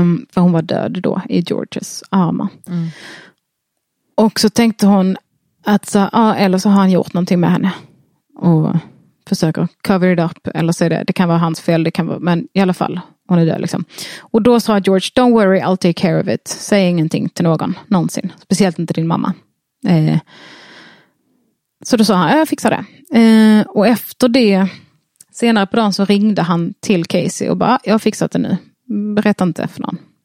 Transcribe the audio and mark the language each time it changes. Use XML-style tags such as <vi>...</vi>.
<sv>För hon var död då i Georges armar. Mm. Och så tänkte hon att så, eller så har han gjort någonting med henne. Och försöker</sv> <en>cover it up.</en> <sv>Eller så är det kan vara hans fel. Det kan vara, men i alla fall, hon är död liksom. Och då sa George,</sv> <en>don't worry, I'll take care of it.</en> <sv>Säg ingenting till någon, någonsin. Speciellt inte din mamma. Så då sa han, jag fixar det. Och efter det, senare på dagen så ringde han till Casey och bara, jag har fixat det nu. Berätta inte för någon.</sv>